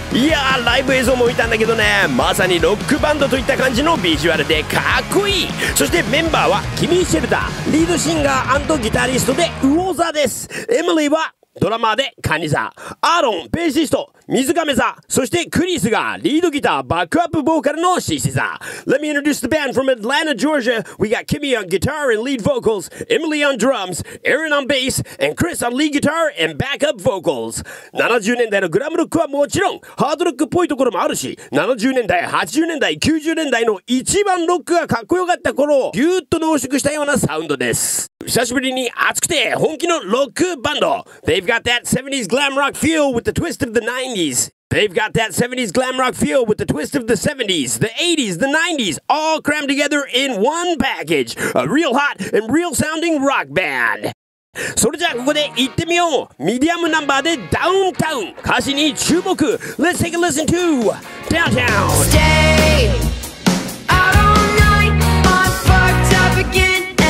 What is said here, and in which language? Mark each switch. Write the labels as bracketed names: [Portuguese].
[Japanese] いやー、ライブ映像も見たんだけどね、まさにロックバンドといった感じのビジュアルでかっこいい。そしてメンバーはキミ・シェルター、リードシンガー&ギタリストでウオザです。エミリーはドラマーでカニザ、アーロンベーシスト、水亀座、そしてクリスがリードギターバックアップボーカルのシシザ。 [English] Let me introduce the band from Atlanta, Georgia. We got Kimmy on guitar and lead vocals, Emily on drums, Aaron on bass, and Chris on lead guitar and backup vocals. [Japanese] 70年代のグラムロックはもちろん、ハードロックっぽいところもあるし、70年代、80年代、90年代の一番ロックがかっこよかった頃をギュッと濃縮したようなサウンドです。久しぶりに熱くて本気のロックバンド。 [English] They've got that 70s glam rock feel with the twist of the 90s. They've got that 70s glam rock feel with the twist of the 70s, the 80s, the 90s, all crammed together in one package. A real hot and real sounding rock band. [Japanese] それじゃあここで行ってみよう。ミディアムナンバーでダウンタウン。歌詞に注目。 [English] Let's take a listen to Downtown. Stay out all night, I'm fucked up again.